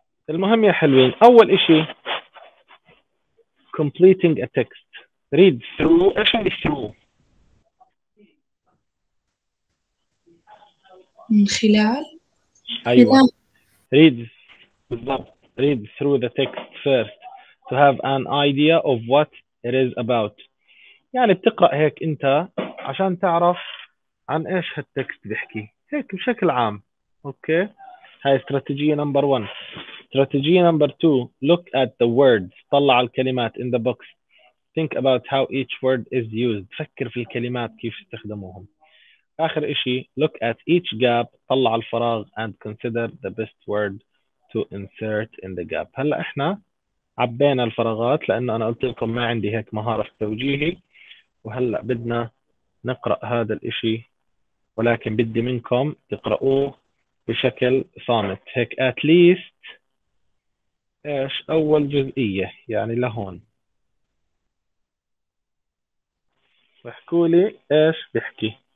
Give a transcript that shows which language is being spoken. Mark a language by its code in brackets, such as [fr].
[ar] المهم يا حلوين، أول إشي [en] completing a text. read through. [ar] ايش يعني through؟ من خلال ايوه [en] read [ar] بالضبط. [en] read through the text first to have an idea of what it is about. [ar] يعني بتقرأ هيك انت عشان تعرف عن ايش هالتكست بيحكي هيك بشكل عام. اوكي هاي استراتيجية نمبر 1. استراتيجية نمبر 2، [en] look at the words. [ar] طلع على الكلمات [en] in the books. Think about how each word is used. [ar] فكر في الكلمات كيف استخدموهم. آخر إشي، [en] look at each gap. [ar] طلع على الفراغ [en] and consider the best word to insert in the gap. [ar] هلا إحنا عبينا الفراغات لأنه أنا قلت لكم ما عندي هيك مهارة في توجيهي، وهلا بدنا نقرأ هذا الإشي، ولكن بدي منكم تقرأوه بشكل صامت. هيك [en] at least [ar] ايش اول جزئية يعني لهون، واحكوا لي ايش بيحكي.